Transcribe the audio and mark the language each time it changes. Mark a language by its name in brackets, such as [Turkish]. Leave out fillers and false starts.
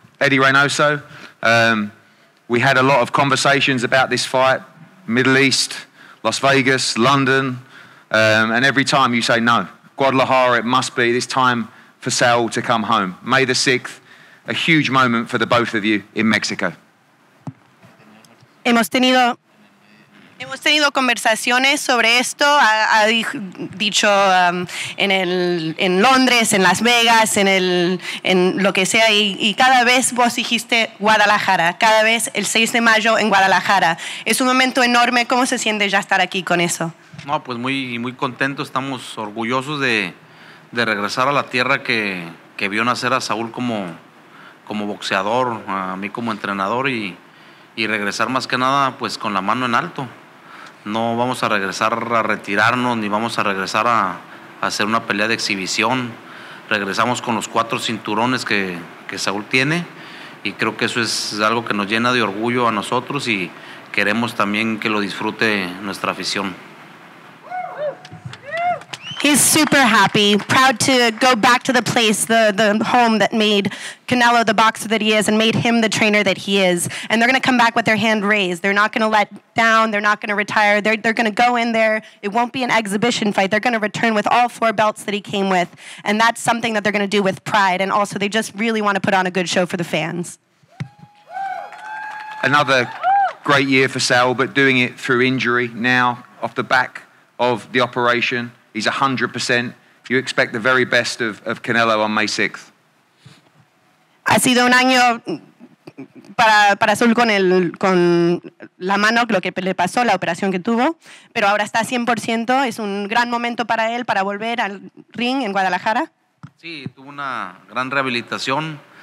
[English] Eddie Reynoso, we had a lot of conversations about this fight, Middle East, Las Vegas, London, and every time you say no, Guadalajara, it must be, it's time for Saul to come home. May the 6th, a huge moment for the both of you in Mexico. [Spanish] Hemos tenido conversaciones sobre esto, ha dicho en Londres, en Las Vegas, en lo que sea, y cada vez vos dijiste Guadalajara, cada vez el 6 de mayo en Guadalajara. Es un momento enorme, ¿cómo se siente ya estar aquí con eso? No, pues muy, muy contento, estamos orgullosos de regresar a la tierra que vio nacer a Saúl como boxeador, a mí como entrenador, y regresar más que nada pues con la mano en alto. No vamos a regresar a retirarnos ni vamos a regresar a hacer una pelea de exhibición. Regresamos con los 4 cinturones que Saúl tiene, y creo que eso es algo que nos llena de orgullo a nosotros y queremos también que lo disfrute nuestra afición. [English] He's super happy, proud to go back to the place, the home that made Canelo the boxer that he is and made him the trainer that he is. And they're going to come back with their hand raised. They're not going to let down. They're not going to retire. They're going to go in there. It won't be an exhibition fight. They're going to return with all 4 belts that he came with. And that's something that they're going to do with pride. And also, they just really want to put on a good show for the fans. Another great year for Saul, but doing it through injury now off the back of the operation. He's 100%. You expect the very best of Canelo on May 6th. [Spanish] Ha sido un año para Saúl con la mano, lo que le pasó, la operación que tuvo, pero ahora está 100%. Es un gran momento para él para volver al ring en Guadalajara. Sí, tuvo una gran rehabilitación.